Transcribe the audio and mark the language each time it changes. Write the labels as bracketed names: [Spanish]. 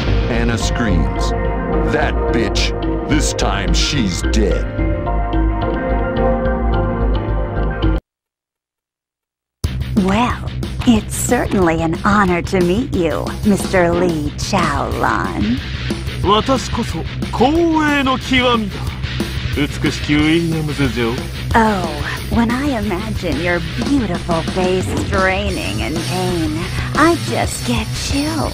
[English] Anna screams, "That bitch, this time she's dead." Well, it's certainly an honor to meet you, Mr. Li Chao-Lan. [Japanese] 私こそ光栄の極みだ。美しきウィリアムズ嬢。 [English] Oh, when I imagine your beautiful face straining in pain, I just get chills.